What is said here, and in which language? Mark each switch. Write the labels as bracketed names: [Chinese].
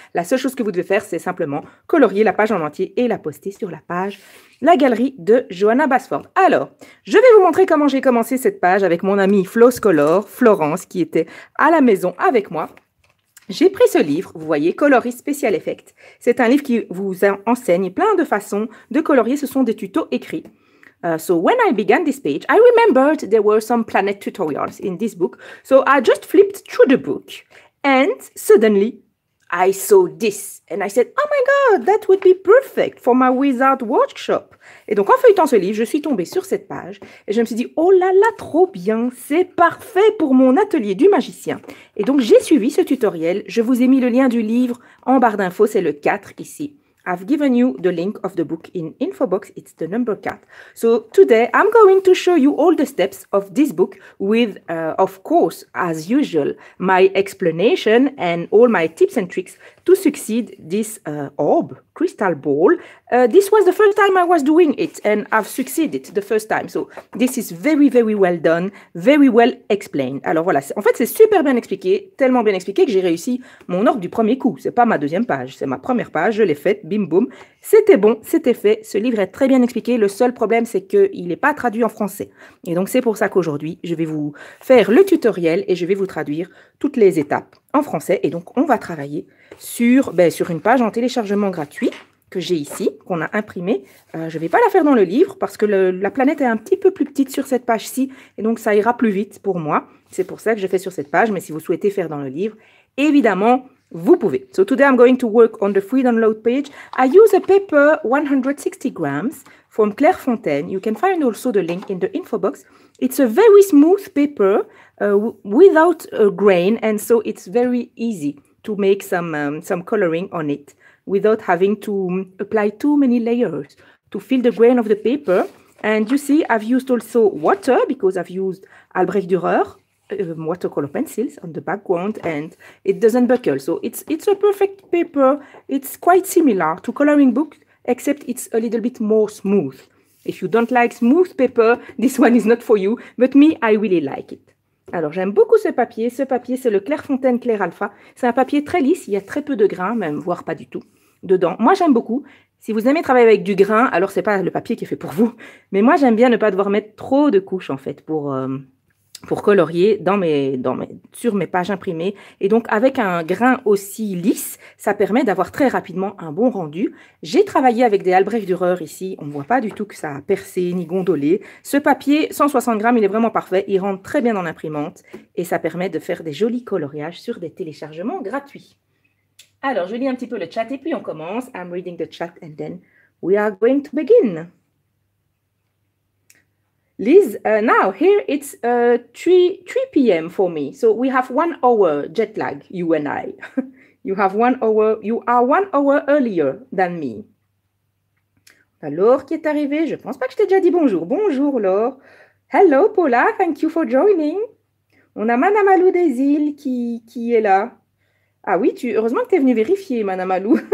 [French] La seule chose que vous devez faire, c'est simplement colorier la page en entier et la poster sur la page, la galerie de Johanna Basford. Alors, je vais vous montrer comment j'ai commencé cette page avec mon amie Flo Scolor, Florence, qui était à la maison avec moi. J'ai pris ce livre, vous voyez, Coloris Special Effect. C'est un livre qui vous enseigne plein de façons de colorier. Ce sont des tutos écrits. [English] So when I began this page, I remembered there were some planet tutorials in this book. So I just flipped through the book and suddenly I saw this. And I said, oh my God, that would be perfect for my wizard workshop. [French] Et donc en feuilletant ce livre, je suis tombée sur cette page et je me suis dit, oh là là, trop bien, c'est parfait pour mon atelier du magicien. Et donc j'ai suivi ce tutoriel, je vous ai mis le lien du livre en barre d'infos, c'est le 4 ici. [English] I've given you the link of the book in info box, it's the number 4. So today I'm going to show you all the steps of this book with, of course, as usual, my explanation and all my tips and tricks to succeed this orb, crystal ball. This was the first time I was doing it and I've succeeded the first time. So this is very, very well done, very well explained. [French] Alors voilà, en fait, c'est super bien expliqué, tellement bien expliqué que j'ai réussi mon orbe du premier coup. C'est pas ma deuxième page, c'est ma première page, je l'ai faite, bim, boum. C'était bon, c'était fait, ce livre est très bien expliqué. Le seul problème, c'est qu'il n'est pas traduit en français. Et donc, c'est pour ça qu'aujourd'hui, je vais vous faire le tutoriel et je vais vous traduire toutes les étapes en français. Et donc, on va travailler sur une page en téléchargement gratuit que j'ai ici, qu'on a imprimée. Je ne vais pas la faire dans le livre parce que la planète est un petit peu plus petite sur cette page-ci et donc ça ira plus vite pour moi. C'est pour ça que je fais sur cette page, mais si vous souhaitez faire dans le livre, évidemment, vous pouvez. [English] So today I'm going to work on the free download page. I use a paper 160 grams from Claire Fontaine. You can find also the link in the info box. It's a very smooth paper without a grain and so it's very easy to make some coloring on it without having to apply too many layers to fill the grain of the paper. And you see, I've used also water because I've used Albrecht Dürer watercolor pencils on the background and it doesn't buckle. So it's a perfect paper. It's quite similar to coloring book, except it's a little bit more smooth. If you don't like smooth paper, this one is not for you, but me, I really like it. [French] Alors, j'aime beaucoup ce papier. Ce papier, c'est le Claire Fontaine Claire Alpha. C'est un papier très lisse. Il y a très peu de grains, même, voire pas du tout, dedans. Moi, j'aime beaucoup. Si vous aimez travailler avec du grain, alors ce n'est pas le papier qui est fait pour vous. Mais moi, j'aime bien ne pas devoir mettre trop de couches, en fait, pour colorier sur mes pages imprimées. Et donc, avec un grain aussi lisse, ça permet d'avoir très rapidement un bon rendu. J'ai travaillé avec des Albrecht Dürer ici. On ne voit pas du tout que ça a percé ni gondolé. Ce papier, 160 grammes, il est vraiment parfait. Il rentre très bien dans l'imprimante et ça permet de faire des jolis coloriages sur des téléchargements gratuits. Alors, je lis un petit peu le chat et puis on commence. [English] I'm reading the chat and then we are going to begin. Liz, now here it's 3 p.m. for me. So we have 1 hour jet lag, you and I. You are 1 hour earlier than me. [French] Laure qui est arrivée, je pense pas que je t'ai déjà dit bonjour. Bonjour Laure. [English] Hello Paula, thank you for joining. [French] On a Madame Alou des îles qui est là. Ah oui, heureusement que tu es venue vérifier, Madame Alou.